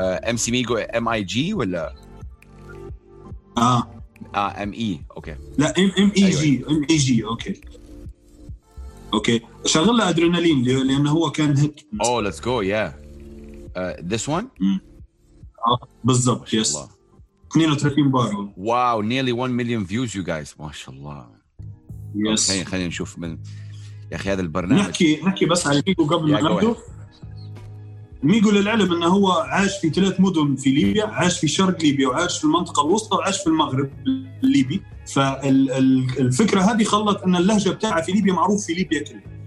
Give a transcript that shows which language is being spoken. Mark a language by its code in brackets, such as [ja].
[ar] إمسي ميجو M-I-G ولا M-E أوكي لا M-E-G M-E-G أوكي أوكي شغل أدرينالين لأنه هو كان هيت. [en] Oh let's go yeah this one [ar] بالضبط yes 32 بار [en] wow nearly 1 million views you guys [ar] ما شاء الله [en] yes [ar] okay, خلينا نشوف من يا أخي هذا البرنامج نحكي بس على ميجو قبل yeah, ما نبدأ ميجو للعلم أنه هو عاش في ثلاث مدن في ليبيا عاش في شرق ليبيا وعاش في المنطقة الوسطى وعاش في المغرب الليبي فالفكرة هذه خلت أن اللهجة بتاعها في ليبيا معروف في ليبيا كله